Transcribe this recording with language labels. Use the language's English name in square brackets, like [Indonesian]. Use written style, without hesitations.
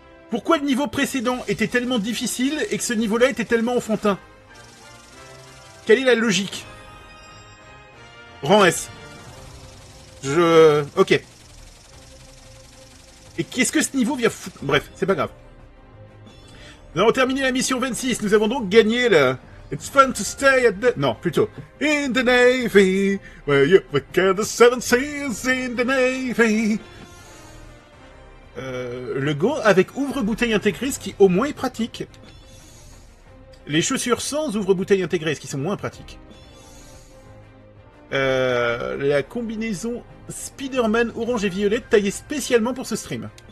[French] Pourquoi le niveau précédent était tellement difficile et que ce niveau-là était tellement enfantin? Quelle est la logique? Rang S. Ok. Et qu'est-ce que ce niveau vient foutre? Bref, c'est pas grave. Nous avons terminé la mission 26. Nous avons donc gagné la... [English] It's fun to stay at the... [French] Non, plutôt. [English] In the Navy, where you work at the seven seas in the Navy. [French] Le go avec ouvre-bouteille intégrée, ce qui au moins est pratique. Les chaussures sans ouvre-bouteille intégrée, ce qui sont moins pratiques. La combinaison Spider-Man orange et violette taillée spécialement pour ce stream.